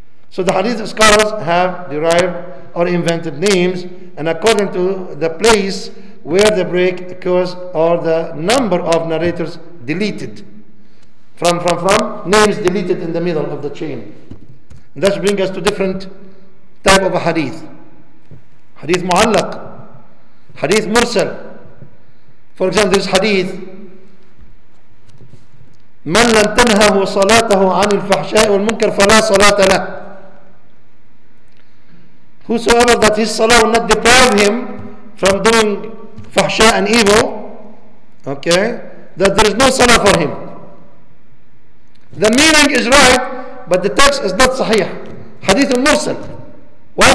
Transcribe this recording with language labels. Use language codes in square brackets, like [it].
[en] So the hadith scholars have derived or invented names, and according to the place where the break occurs or the number of narrators deleted. From names deleted in the middle of the chain. And that brings us to different type of a hadith. Hadith mu'allaq, hadith mursal. For example, this hadith, [ar] من لم تنهه صلاته عن الفحشاء والمنكر فلا صلاة له. [en] Whosoever that his salah will not deprive him from doing fahsha and evil, okay, that there is no salah for him. The meaning is right, but the text is not sahih. Hadith al-Mursal. Why?